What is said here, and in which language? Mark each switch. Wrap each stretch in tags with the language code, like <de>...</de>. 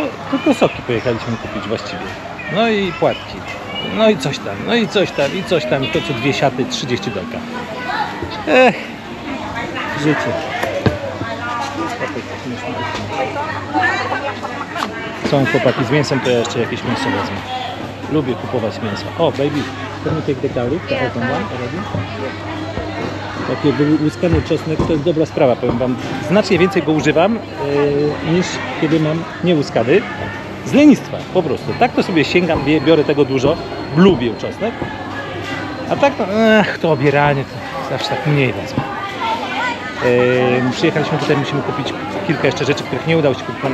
<pl>Tylko soki pojechaliśmy kupić właściwie. No i płatki. No i coś tam, no i coś tam, i coś tam. To co dwie siaty, 30 dolka. Ech, życie. Są chłopaki z mięsem, to ja jeszcze jakieś mięso wezmę. Lubię kupować mięso.</pl> <en>O, baby, can you take the garlic, the open one already?</en> <pl>Takie łuskany czosnek to jest dobra sprawa, powiem Wam. Znacznie więcej go używam, niż kiedy mam niełuskany. Z lenistwa po prostu. Tak to sobie sięgam, biorę tego dużo. Lubię czosnek. A tak to, to obieranie, to zawsze tak mniej wezmę. Przyjechaliśmy tutaj, musimy kupić kilka jeszcze rzeczy, których nie udało się kupić.</pl>